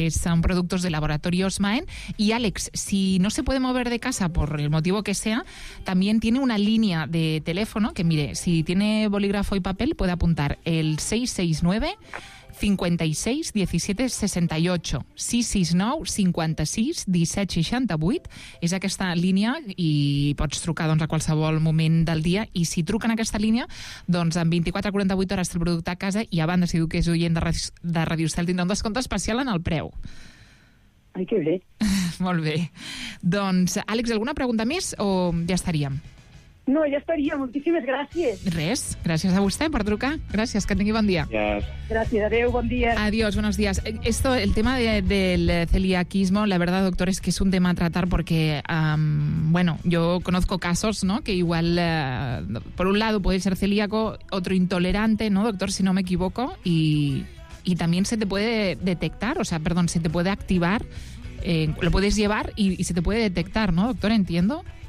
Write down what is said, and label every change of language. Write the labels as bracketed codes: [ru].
[es] Son productos de laboratorio Osmaen. Y Alex, si no se puede mover de casa por el motivo que sea, también tiene una línea de teléfono que, mire, si tiene bolígrafo y papel, puede apuntar el 669-56-1768. 669-56-1768. [ca] És aquesta línia i pots trucar doncs, a qualsevol moment del dia. I si truquen a aquesta línia, doncs en 24 a 48 hores té el producte a casa i a banda, si diu que és oient de Radio Cel, tindrà un descompte especial en el preu. Ai, que bé. Molt bé. Doncs, Àlex, alguna pregunta més o ja estaríem? No, ja estaria. Moltíssimes gràcies. Res. Gràcies a vostè per trucar. Gràcies, que tingui bon dia. Gràcies. Gràcies, adéu, bon dia. [es] Adiós, buenos días. Esto, el tema del celiaquismo, la verdad, doctor, es que es un tema a tratar porque, bueno, yo conozco casos, ¿no?, que igual, por un lado puede ser celíaco, otro intolerante, ¿no, doctor?, si no me equivoco, y también se te puede detectar, o sea, perdón, se te puede activar, lo puedes llevar y se te puede detectar, ¿no, doctor?, entiendo.